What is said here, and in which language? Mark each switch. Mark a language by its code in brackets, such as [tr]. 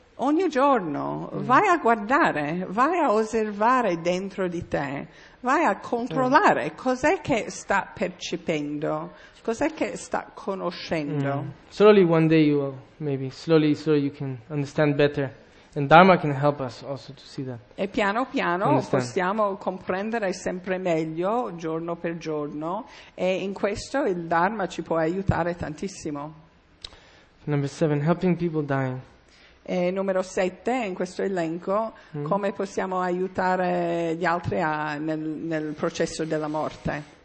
[it] Ogni giorno vai a guardare, vai a osservare dentro di te, vai a controllare cos'è che sta percependo, cos'è che sta conoscendo. [en] Slowly one day you will, maybe, slowly you can understand better. And Dharma can help us also to see that. [it] E piano piano possiamo comprendere sempre meglio giorno per giorno, e in questo il Dharma ci può aiutare tantissimo. [en] Number 7, helping people dying. [it] E numero 7 in questo elenco, come possiamo aiutare gli altri nel processo della morte.